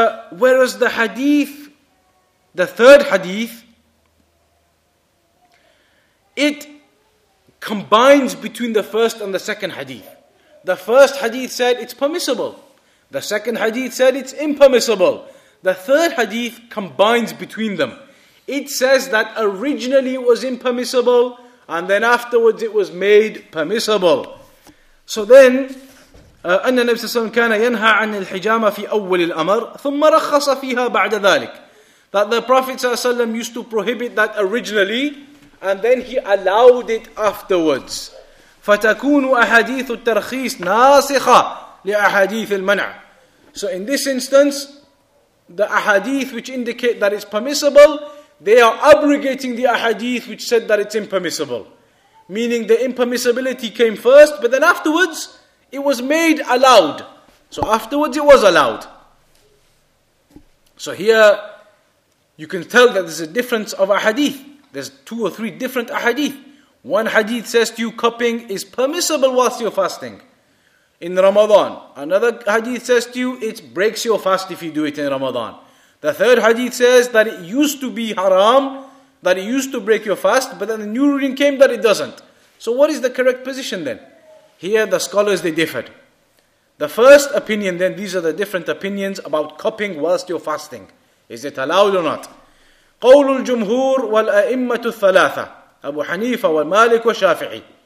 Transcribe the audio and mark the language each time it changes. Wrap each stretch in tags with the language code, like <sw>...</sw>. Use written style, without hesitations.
<en>Whereas the hadith, the third hadith, it combines between the first and the second hadith. The first hadith said it's permissible. The second hadith said it's impermissible. The third hadith combines between them. It says that originally it was impermissible, and then afterwards it was made permissible. So then,</en> <ar>أن النبي صلى الله عليه وسلم كان ينهى عن الحجامة في أول الأمر ثم رخص فيها بعد ذلك.</ar> <en>That the Prophet</en> <ar>صلى الله عليه وسلم</ar> <en>used to prohibit that originally, and then he allowed it afterwards.</en> <ar>فتكون أحاديث الترخيص ناسخة لأحاديث المنع.</ar> <en>So in this instance, the ahadith which indicate that it's permissible, they are abrogating the ahadith which said that it's impermissible. Meaning the impermissibility came first, but then afterwards, it was made allowed. So afterwards it was allowed. So here, you can tell that there's a difference of ahadith. There's two or three different ahadith. One hadith says to you, cupping is permissible whilst you're fasting in Ramadan. Another hadith says to you, it breaks your fast if you do it in Ramadan. The third hadith says that it used to be haram, that it used to break your fast, but then the new ruling came that it doesn't. So what is the correct position then? Here the scholars, they differed. The first opinion then, these are the different opinions about cupping whilst you're fasting. Is it allowed or not?</en> <ar>قول الجمهور والأئمة الثلاثة أبو حنيفة والمالك والشافعي.</ar>